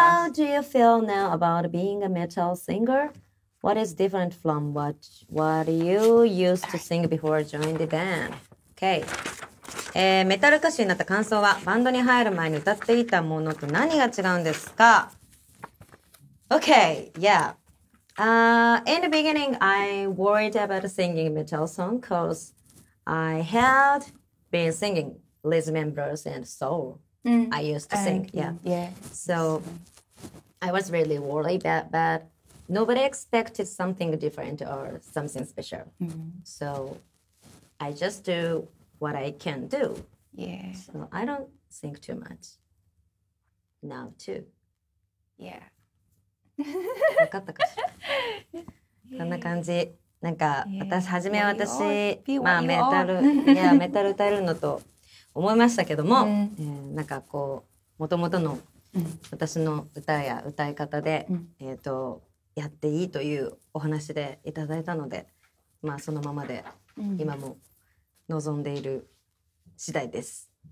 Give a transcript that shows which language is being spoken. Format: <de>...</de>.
<en>How do you feel now about being a metal singer? What is different from what you used to sing before joining the band? Okay.</en> <ja>メタル歌手になった感想は、バンドに入る前に歌っていたものと何が違うんですか?</ja> <en>Okay, yeah. In the beginning, I worried about singing metal song because I had been singing rhythm and blues and soul I used to sing. So I was really worried, but nobody expected something different or something special. Mm-hmm. So I just do what I can do. Yeah. So I don't think too much now too. Yeah.</en> <ja>わかったかしら。こんな感じ。なんか、私、はじめ私、まあ、メタル、いや、メタル歌えるのと思いましたけども、なんかこう、もともとの私の歌や歌い方で、やっていいというお話でいただいたので、まあ、そのままで、今も望んでいる次第です。</ja>